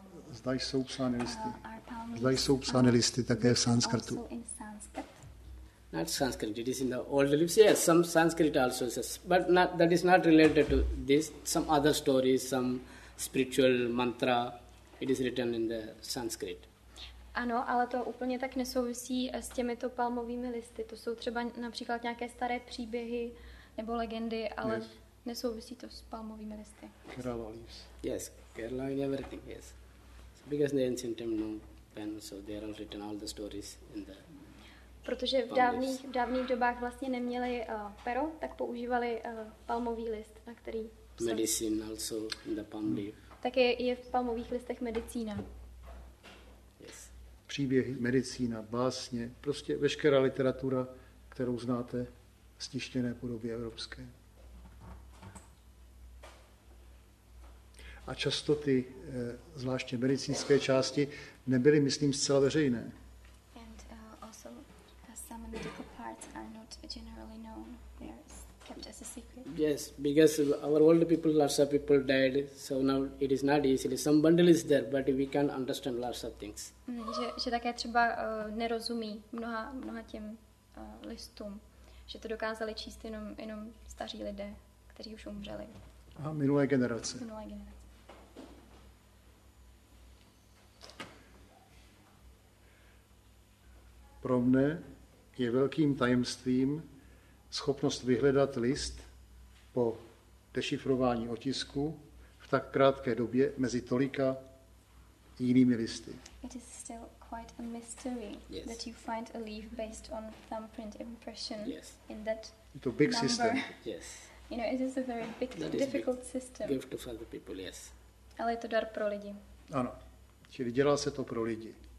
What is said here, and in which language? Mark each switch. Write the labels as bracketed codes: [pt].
[cs] Zda jsou psány listy. Zda jsou psány listy také v sanskrtu. [en] Not Sanskrit, it is in the old lips. Yes, some Sanskrit also says. But not, that is not related to this. Some other stories, some spiritual mantra, it is written in the Sanskrit. [cs] Ano, ale to úplně tak nesouvisí s těmito palmovými listy. To jsou třeba například nějaké staré příběhy nebo legendy, ale yes, nesouvisí to s palmovými listy. [en] Kerala leaves. Yes, Kerala and everything, yes. Because the ancient time no pen, so they are all written all the stories in the. [cs] Protože v dávných dobách vlastně neměli pero, tak používali palmový list, na který. [en] Medicine also in the palm leaf. [cs] Tak je v palmových listech medicína. [en] Yes. [cs] Příběhy, medicína, básně, prostě veškerá literatura, kterou znáte v stištěné podobě evropské. A často ty zvláště medicínské části nebyly, myslím, zcela veřejné. [en] And also some medical parts are not generally known. They are kept as a secret. Yes, because our old people, lots of people died, so now it is not easy. Some bundle is there, but we can't understand lots of things. [cs] Že také třeba nerozumí mnoha těm listům, že to dokázali číst jenom staří lidé, kteří už umřeli. A minulé generace. Minulé generace. Pro mne je velkým tajemstvím schopnost vyhledat list po dešifrování otisku v tak krátké době mezi tolika jinými listy. [en] It is still quite a mystery, yes, that you find a leaf based on thumbprint impression, yes, in that. It's a big system. Yes. You know, it is a very big, that difficult big system. Gift to for the people, yes. [cs] Ale je to dar pro lidi. Ano. Čili dělá se to pro lidi.